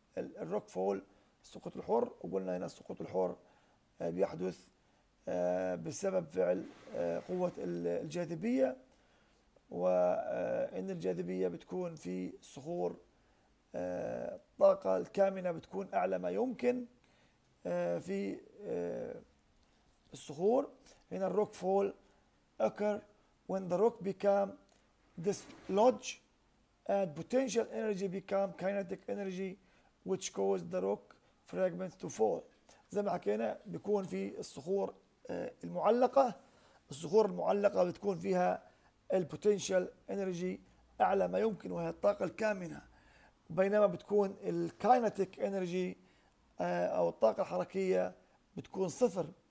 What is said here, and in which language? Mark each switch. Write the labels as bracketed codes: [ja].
[ar] الروك فول السقوط الحر، وقلنا هنا السقوط الحر بيحدث بسبب فعل قوة الجاذبية، وإن الجاذبية بتكون في صخور الطاقة الكامنة بتكون أعلى ما يمكن في الصخور. هنا الروك فول [en] occur when the rock become dislodge and potential energy become kinetic energy which cause the rock fragments to fall. [ar] زي ما حكينا بيكون في الصخور المعلقة، الصخور المعلقة بتكون فيها البوتنشال انرجي اعلى ما يمكن وهي الطاقة الكامنة، بينما بتكون الكاينتيك انرجي او الطاقة الحركية بتكون صفر.